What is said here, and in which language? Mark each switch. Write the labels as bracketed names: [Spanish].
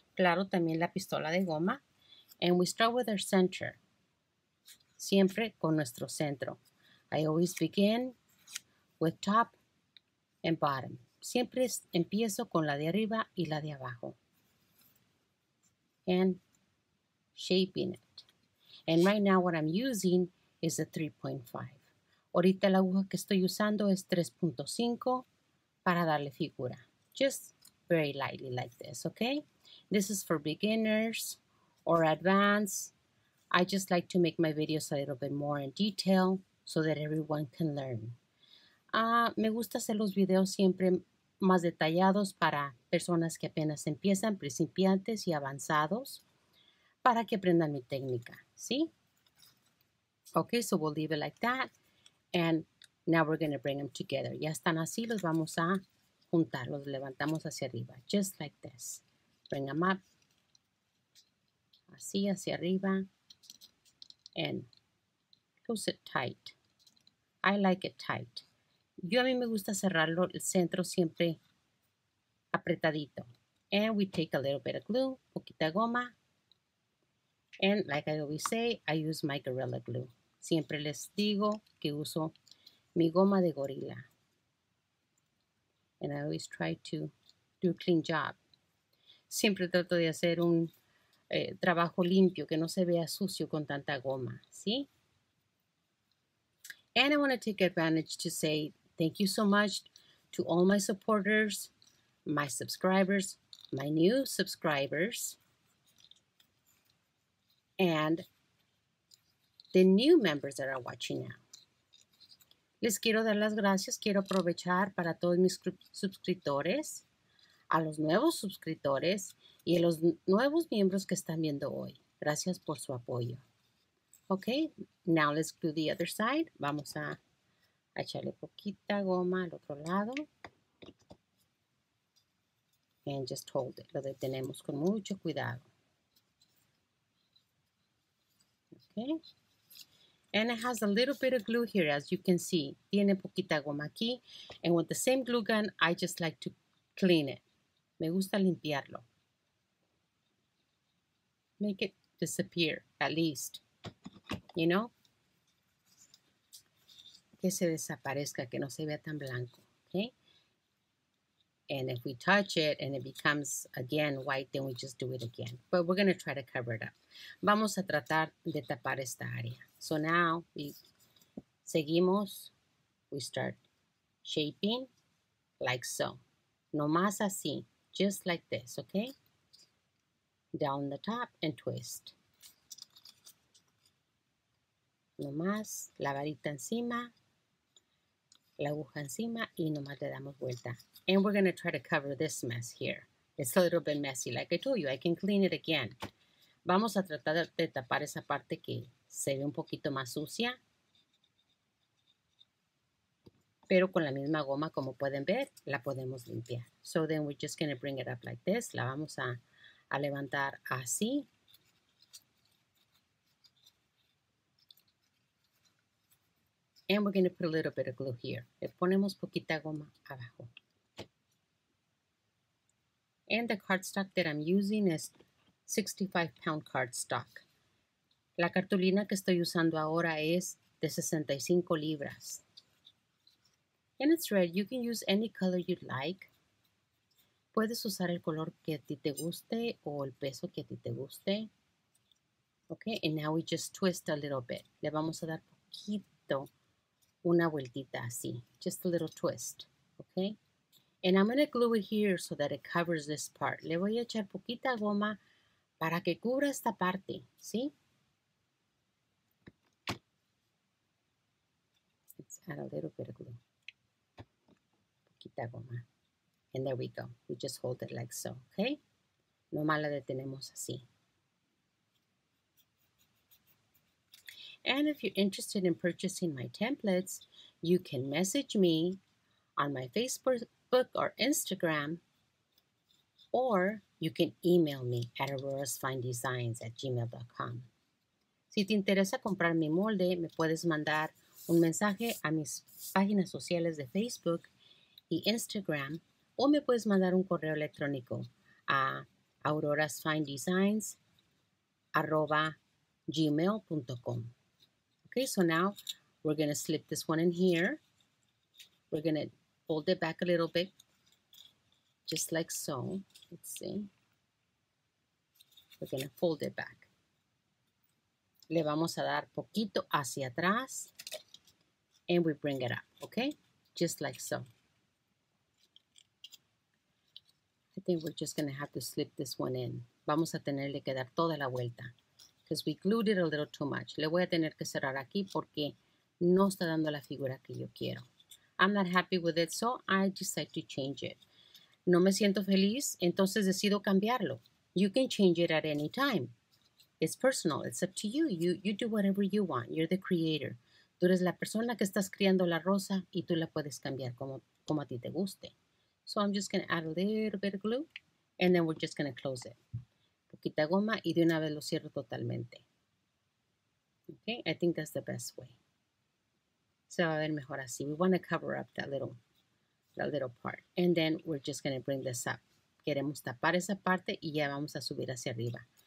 [Spanish] Claro, también la pistola de goma. [English] And we start with our center. [Spanish] Siempre con nuestro centro. [English] I always begin with top and bottom. [Spanish] Siempre empiezo con la de arriba y la de abajo. [English] And shaping it. And right now what I'm using is a 3.5. [Spanish] Ahorita la aguja que estoy usando es 3.5 para darle figura. [English] Just very lightly like this, okay? This is for beginners or advanced. I just like to make my videos a little bit more in detail so that everyone can learn. [Spanish] Me gusta hacer los videos siempre más detallados para personas que apenas empiezan, principiantes y avanzados, para que aprendan mi técnica, ¿sí? [English] Okay, so we'll leave it like that. And now we're going to bring them together. [Spanish] Ya están así, los vamos a juntar, los levantamos hacia arriba, [English] just like this. Bring them up, [Spanish] así hacia arriba. [English] And close it tight. I like it tight. [Spanish] Yo a mí me gusta cerrarlo el centro siempre apretadito. [English] And we take a little bit of glue, [Spanish] poquita goma. [English] And like I always say, I use my Gorilla Glue. [Spanish] Siempre les digo que uso mi goma de gorila. [English] And I always try to do a clean job. [Spanish] Siempre trato de hacer un trabajo limpio, que no se vea sucio con tanta goma, ¿sí? [English] And I want to take advantage to say thank you so much to all my supporters, my subscribers, my new subscribers, and the new members that are watching now. [Spanish] Les quiero dar las gracias, quiero aprovechar para todos mis suscriptores, a los nuevos suscriptores, y a los nuevos miembros que están viendo hoy. Gracias por su apoyo. [English] Ok, now let's glue the other side. [Spanish] Vamos a echarle poquita goma al otro lado. [English] And just hold it. [Spanish] Lo detenemos con mucho cuidado. [English] Ok. And it has a little bit of glue here, as you can see. [Spanish] Tiene poquita goma aquí. [English] And with the same glue gun, I just like to clean it. [Spanish] Me gusta limpiarlo. [English] Make it disappear, at least. You know? [Spanish] Que se desaparezca, que no se vea tan blanco. [English] Okay? And if we touch it and it becomes again white, then we just do it again. But we're going to try to cover it up. [Spanish] Vamos a tratar de tapar esta área. [English] So now we [Spanish] seguimos. [English] We start shaping like so. [Spanish] No más así. [English] Just like this, okay? Down the top and twist. [Spanish] No más. La varita encima. La aguja encima. Y no más le damos vuelta. [English] And we're going to try to cover this mess here. It's a little bit messy. Like I told you, I can clean it again. [Spanish] Vamos a tratar de tapar esa parte que se ve un poquito más sucia. Pero con la misma goma, como pueden ver, la podemos limpiar. [English] So then we're just going to bring it up like this. [Spanish] La vamos a levantar así. [English] And we're going to put a little bit of glue here. [Spanish] Le ponemos poquita goma abajo. [English] And the cardstock that I'm using is 65-pound cardstock. [Spanish] La cartulina que estoy usando ahora es de 65 libras. [English] And it's red. You can use any color you'd like. [Spanish] Puedes usar el color que a ti te guste o el peso que a ti te guste. [English] Okay, and now we just twist a little bit. [Spanish] Le vamos a dar poquito una vueltita así. [English] Just a little twist. Okay. And I'm going to glue it here so that it covers this part. [Spanish] Le voy a echar poquita goma para que cubra esta parte, ¿sí? [English] Let's add a little bit of glue. [Spanish] Poquita goma. [English] And there we go. We just hold it like so, okay? [Spanish] Nomás la detenemos así. [English] And if you're interested in purchasing my templates, you can message me on my Facebook or Instagram, or you can email me at aurorasfinedesigns@gmail.com. [Spanish] Si te interesa comprar mi molde, me puedes mandar un mensaje a mis páginas sociales de Facebook y Instagram, o me puedes mandar un correo electrónico a aurorasfinedesigns@gmail.com. [English] Okay, so now we're going to slip this one in here. We're going to fold it back a little bit, just like so. Let's see. We're going to fold it back. [Spanish] Le vamos a dar poquito hacia atrás. [English] And we bring it up, okay? Just like so. I think we're just going to have to slip this one in. [Spanish] Vamos a tenerle que dar toda la vuelta. [English] Because we glued it a little too much. [Spanish] Le voy a tener que cerrar aquí porque no está dando la figura que yo quiero. [English] I'm not happy with it, so I decide to change it. [Spanish] No me siento feliz, entonces decido cambiarlo. [English] You can change it at any time. It's personal. It's up to you. You do whatever you want. You're the creator. [Spanish] Tú eres la persona que estás criando la rosa y tú la puedes cambiar como a ti te guste. [English] So I'm just going to add a little bit of glue, and then we're just going to close it. [Spanish] Poquita goma y de una vez lo cierro totalmente. [English] Okay, I think that's the best way. [Spanish] Se va a ver mejor así. [English] We want to cover up that little part. And then we're just going to bring this up. [Spanish] Queremos tapar esa parte y ya vamos a subir hacia arriba.